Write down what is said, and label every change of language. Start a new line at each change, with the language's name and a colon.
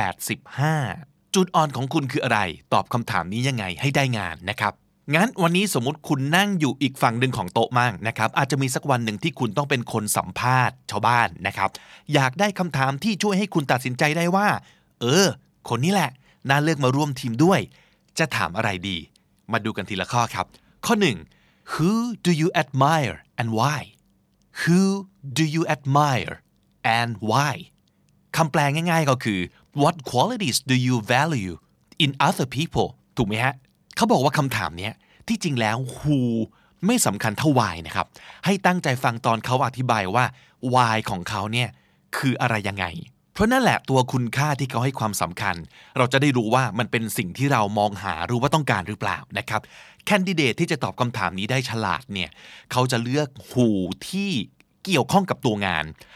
Thai: 85จุดอ่อนของคุณคืออะไรตอบคำถามนี้ยังไงให้ได้งานนะครับงั้นวันนี้สมมติคุณนั่งอยู่อีกฝั่งนึงของโต๊ะมั่งนะครับอาจจะมีสักวันนึงที่คุณต้องเป็นคนสัมภาษณ์ชาวบ้านนะครับอยากได้คำถามที่ช่วยให้คุณตัดสินใจได้ว่าเออคนนี้แหละน่าเลือกมาร่วมทีมด้วยจะถามอะไรดีมาดูกันทีละข้อครับข้อ1
English: Who do you admire and why? Who do you admire and why?
Thai: คำแปลง่ายๆก็คือ
English: What qualities do you value in other people?
Thai: ถูกไหมฮะเขาบอกว่าคำถามนี้ที่จริงแล้ว who ไม่สำคัญเท่า why นะครับให้ตั้งใจฟังตอนเขาอธิบายว่า why ของเขาเนี่ยคืออะไรยังไงเพราะนั่นแหละตัวคุณค่าที่เขาให้ความสำคัญเราจะได้รู้ว่ามันเป็นสิ่งที่เรามองหาหรือว่าต้องการหรือเปล่านะครับแคนดิเดตที่จะตอบคำถามนี้ได้ฉลาดเนี่ยเขาจะเลือก who ที่เกี่ยวข้องกับตัวงาน